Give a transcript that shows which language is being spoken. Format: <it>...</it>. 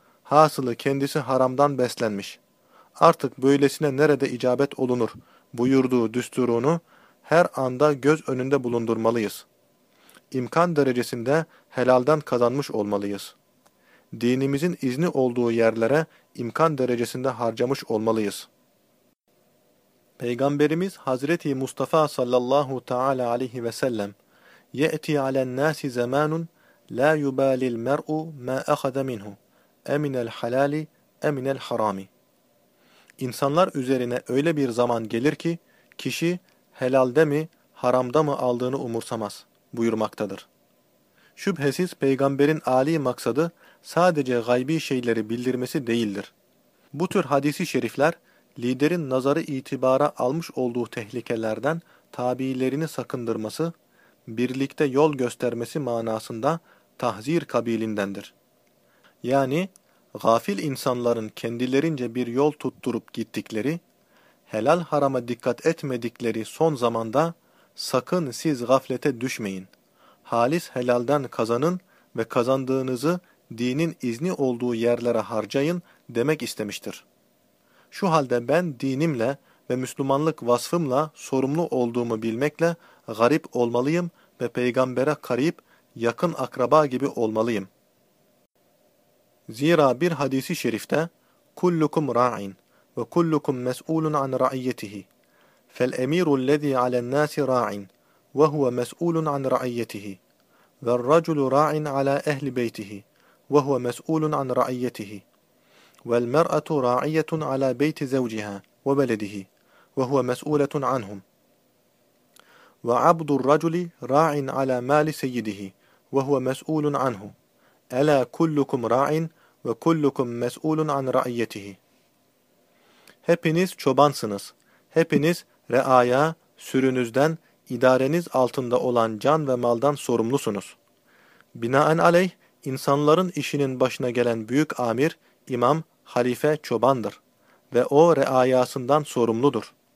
<tr>Hasılı kendisi haramdan beslenmiş. Artık böylesine nerede icabet olunur buyurduğu düsturunu her anda göz önünde bulundurmalıyız. İmkan derecesinde helalden kazanmış olmalıyız. Dinimizin izni olduğu yerlere imkan derecesinde harcamış olmalıyız. Peygamberimiz Hazreti Mustafa</tr> <ar>sallallahu teala aleyhi ve sellem يَأْتِي عَلَى النَّاسِ زَمَانٌ لَا يُبَالِ الْمَرْءُ مَا أَخَذَ مِنْهُ اَمِنَ الْحَلَالِ اَمِنَ الْحَرَامِ.</ar> <tr>İnsanlar üzerine öyle bir zaman gelir ki kişi helalde mi, haramda mı aldığını umursamaz buyurmaktadır. Şüphesiz Peygamberin âli maksadı sadece gaybi şeyleri bildirmesi değildir. Bu tür hadisi şerifler, liderin nazarı itibara almış olduğu tehlikelerden tabiilerini sakındırması, birlikte yol göstermesi manasında tahzir kabilindendir. Yani, gafil insanların kendilerince bir yol tutturup gittikleri, helal harama dikkat etmedikleri son zamanda, sakın siz gaflete düşmeyin, halis helalden kazanın ve kazandığınızı dinin izni olduğu yerlere harcayın demek istemiştir. Şu halde ben dinimle ve Müslümanlık vasfımla sorumlu olduğumu bilmekle garip olmalıyım ve peygambere karayıp yakın akraba gibi olmalıyım. Zira bir hadisi şerifte</tr> <ar>kullukum ra'in ve kullukum mes'ulun an ra'iyyetihi fel emiru lezi alen nasi ra'in ve huve mes'ulun an ra'iyyetihi vel raculu ra'in ala ehli beytihi وهو مسؤول عن رعيته والمرأة راعية على بيت زوجها وبلده وهو مسؤولة عنهم وعبد الرجل راع على مال سيده وهو مسؤول عنه ألا كلكم راع وكلكم مسؤول عن رعيته.</ar> <tr>Hepiniz çobansınız. Hepiniz reaya, sürünüzden, idareniz altında olan can ve maldan sorumlusunuz. Binaenaleyh, insanların işinin başına gelen büyük amir, imam, halife, çobandır ve o reayasından sorumludur.</tr>